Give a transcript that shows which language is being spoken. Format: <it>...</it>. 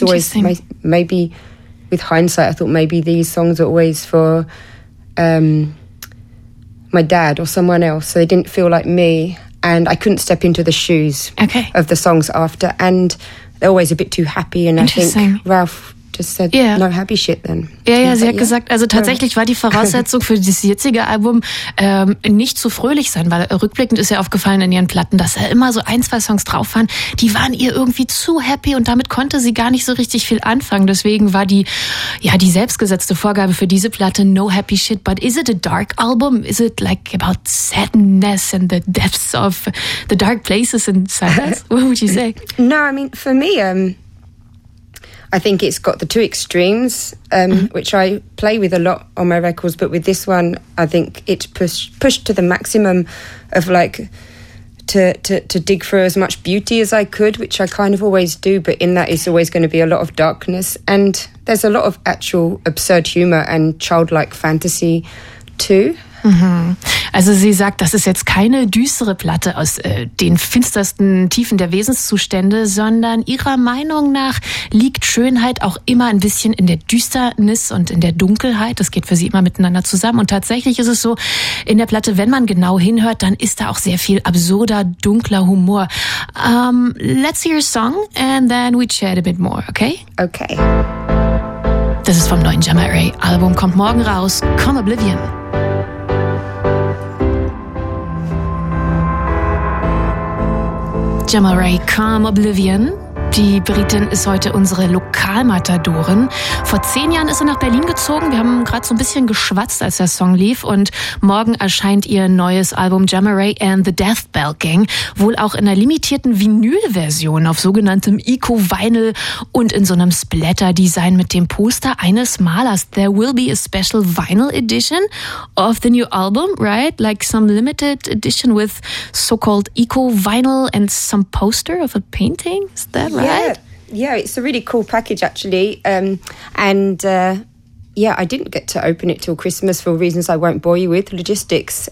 <en>It's always maybe with hindsight I thought maybe these songs are always for my dad or someone else, so they didn't feel like me and I couldn't step into the shoes of the songs after, and always a bit too happy and I think Ralph just said no happy shit then.</en> <de>Sie hat gesagt, also tatsächlich war die Voraussetzung für das jetzige Album nicht zu fröhlich sein, weil rückblickend ist ihr aufgefallen in ihren Platten, dass da immer so 1-2 Songs drauf waren, die waren ihr irgendwie zu happy und damit konnte sie gar nicht so richtig viel anfangen. Deswegen war die selbstgesetzte Vorgabe für diese Platte</de> <en>no happy shit, but is it a dark album? Is it like about sadness and the depths of the dark places and sadness? What would you say? No, I mean, for me, I think it's got the two extremes, which I play with a lot on my records. But with this one, I think it's pushed to the maximum of like to dig for as much beauty as I could, which I kind of always do. But in that, it's always going to be a lot of darkness. And there's a lot of actual absurd humor and childlike fantasy too. Mhm.</en> <de>Also sie sagt, das ist jetzt keine düstere Platte aus den finstersten Tiefen der Wesenszustände, sondern ihrer Meinung nach liegt Schönheit auch immer ein bisschen in der Düsternis und in der Dunkelheit. Das geht für sie immer miteinander zusammen. Und tatsächlich ist es so, in der Platte, wenn man genau hinhört, dann ist da auch sehr viel absurder, dunkler Humor.</de> <en>Let's hear your song and then we chat a bit more, okay? Okay.</en> <de>Das ist vom neuen Gemma Ray Album, kommt morgen raus, Come Oblivion. Gemma Ray, Come Oblivion. Die Britin ist heute unsere Lokalmatadorin. Vor 10 Jahren ist sie nach Berlin gezogen. Wir haben gerade so ein bisschen geschwatzt, als der Song lief. Und morgen erscheint ihr neues Album Gemma Ray and the Death Bell Gang. Wohl auch in einer limitierten Vinylversion auf sogenanntem Eco-Vinyl und in so einem Splatter-Design mit dem Poster eines Malers.</de> <en>There will be a special vinyl edition of the new album, right? Like some limited edition with so-called Eco-Vinyl and some poster of a painting? Is that right? Yeah, it's a really cool package actually. I didn't get to open it till Christmas for reasons I won't bore you with, logistics.</en>